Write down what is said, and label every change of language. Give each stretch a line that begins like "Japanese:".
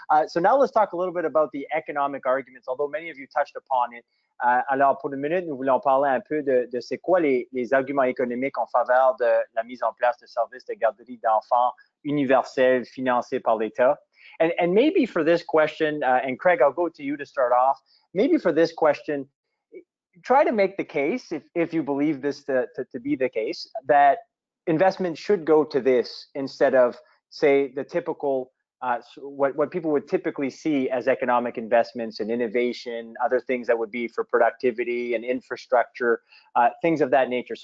English: So now let's talk a little bit about the economic arguments, although many of you touched upon it.
French: Alors, pour une minute, nous voulons parler un peu de c'est quoi les arguments économiques en faveur de la mise en place de services de garderie d'enfants universels financés par l'État.
English: And maybe for this question, and Craig, I'll go to you to start off. Maybe for this question, try to make the case, if you believe this to be the case, that investment should go to this instead of, say, the typical what people would typically see as economic investments and innovation, other things that would be for productivity and infrastructure, things of that nature.